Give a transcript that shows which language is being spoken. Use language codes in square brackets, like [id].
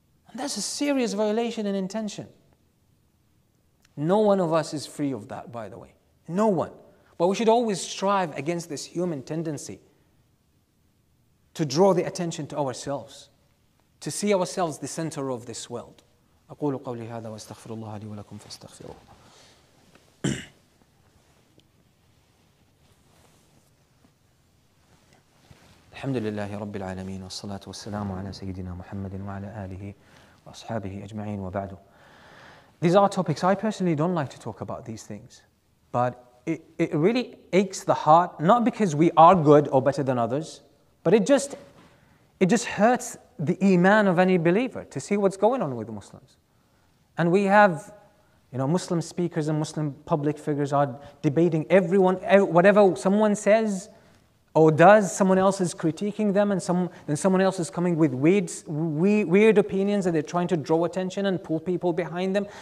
[en] And that's a serious violation in intention. No one of us is free of that, by the way. No one. But we should always strive against this human tendency to draw the attention to ourselves, to see ourselves the center of this world. [ar] أقول قولي هذا واستغفر الله لي ولكم فاستغفروه. الحمد لله رب العالمين والصلاة والسلام على سيدنا محمد وعلى آله وأصحابه أجمعين وبعد. [en] These are topics. I personally don't like to talk about these things, but it really aches the heart, not because we are good or better than others, but it just hurts the iman of any believer to see what's going on with the Muslims. And we have, you know, Muslim speakers and Muslim public figures are debating everyone, whatever someone says or does, someone else is critiquing them, and someone else is coming with weird opinions, and they're trying to draw attention and pull people behind them.